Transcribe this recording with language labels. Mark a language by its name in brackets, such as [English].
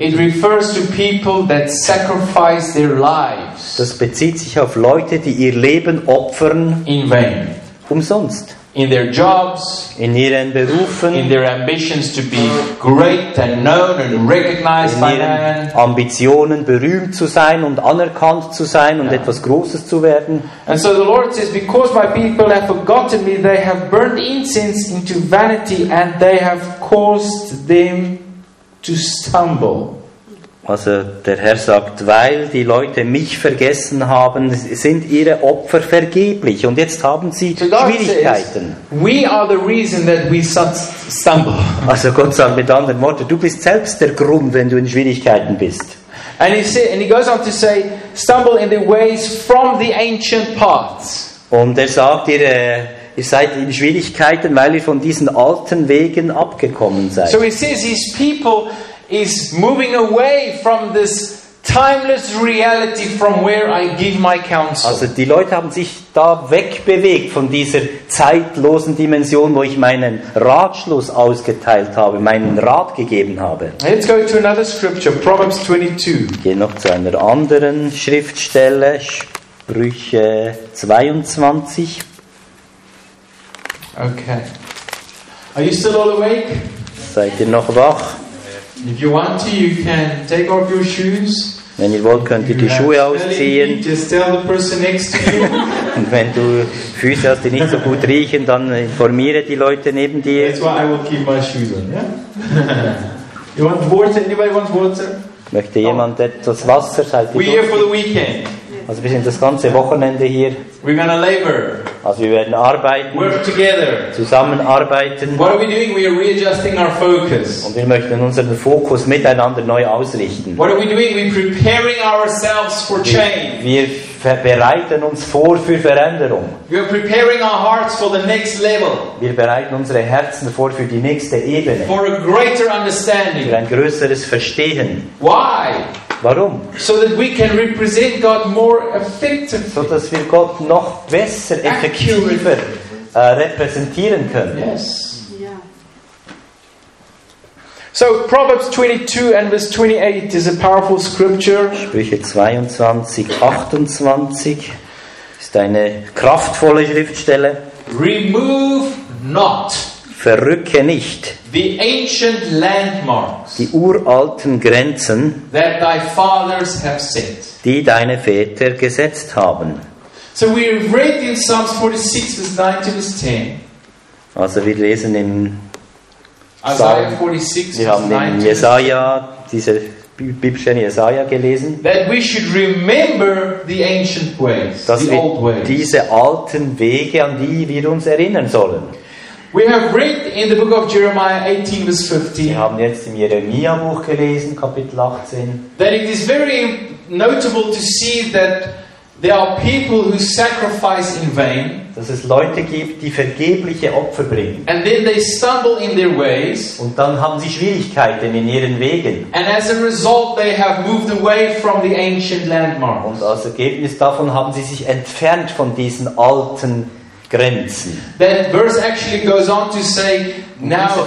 [English] It refers to people that sacrifice their lives. [German] Das bezieht sich auf Leute, die ihr Leben opfern. [English] In vain. [German] Umsonst. [English] In their jobs. [German] In ihren Berufen. [English] In their ambitions to be great and known and recognized by man. [German] Ambitionen, berühmt zu sein und anerkannt zu sein und etwas Großes zu werden. [English] And so the Lord says, because my people have forgotten me, they have burned incense into vanity and they have caused them to stumble. [German] Also der Herr sagt, weil die Leute mich vergessen haben, sind ihre Opfer vergeblich. Und jetzt haben sie Schwierigkeiten. [English] We are the reason that we stumble. [German] Also Gott sagt mit anderen Worten, du bist selbst der Grund, wenn du in Schwierigkeiten bist. [English] And he goes on to say, stumble in the ways from the ancient paths. [German] Und er sagt, ihr seid in Schwierigkeiten, weil ihr von diesen alten Wegen abgekommen seid. [English] So he says, his people is moving away from this timeless reality from where I give my counsel. [German] Also die Leute haben sich da wegbewegt von dieser zeitlosen Dimension, wo ich meinen Ratschluss ausgeteilt habe, meinen Rat gegeben habe. [English] Let's go to another scripture, Proverbs 22. Ich [German] gehe noch zu einer anderen Schriftstelle, Sprüche 22. [English] Okay. Are you still all awake? [German] Seid ihr noch wach? [English] If you want to, you can take off your shoes. [German] Wenn ihr wollt, könnt ihr die Schuhe ausziehen. [English] Just tell the person next to you. [German] Und wenn du Füße hast, die nicht so gut riechen, dann informiere die Leute neben dir. [English] That's why I will keep my shoes on. Yeah? You want water? Anybody wants water? [German] Möchte jemand etwas Wasser? [English] We're here for the weekend. [German] Also wir sind das ganze Wochenende hier. [English] We're gonna labor. [German] Also wir werden arbeiten. [English] Work together. [German] Zusammenarbeiten. [English] What are we doing? We are readjusting our focus. [German] Und wir möchten unseren Fokus miteinander neu ausrichten. [English] What are we doing? We're preparing ourselves for change. [German] Wir bereiten uns vor für Veränderung. [English] We are preparing our hearts for the next level. [German] Wir bereiten unsere Herzen vor für die nächste Ebene. [English] For a greater understanding. [German] Für ein größeres Verstehen. [English] Why? [German] Warum? [English] So that we can represent God more effectively. [German] So dass wir Gott noch besser, effektiver repräsentieren können. [English] Yes. Yeah. So Proverbs 22 and verse 28 is a powerful scripture. [German] Sprüche 22, 28 ist eine kraftvolle Schriftstelle. [English] Remove not. [German] Verrücke nicht die uralten Grenzen, die deine Väter gesetzt haben. [English] So we read in Psalms 46, verse 19 to 10. [German] Also wir lesen in [English] Isaiah 46, [German] wir haben in Jesaja, diese Bibelstelle Jesaja gelesen, [English] that we should remember the ancient ways, [German] dass [English] the wir old ways. [German] Diese alten Wege, an die wir uns erinnern sollen. [English] We have read in the book of Jeremiah 18 verse 15. [German] Wir haben jetzt im Jeremia-Buch gelesen, Kapitel 18. [English] That it is very notable to see that there are people who sacrifice in vain. [German] Dass es Leute gibt, die vergebliche Opfer bringen. [English] And then they stumble in their ways. [German] Und dann haben sie Schwierigkeiten in ihren Wegen. [English] And as a result, they have moved away from the ancient landmarks. [German] Und als Ergebnis davon haben sie sich entfernt von diesen alten Grenzen. [English] That verse actually goes on to say, now,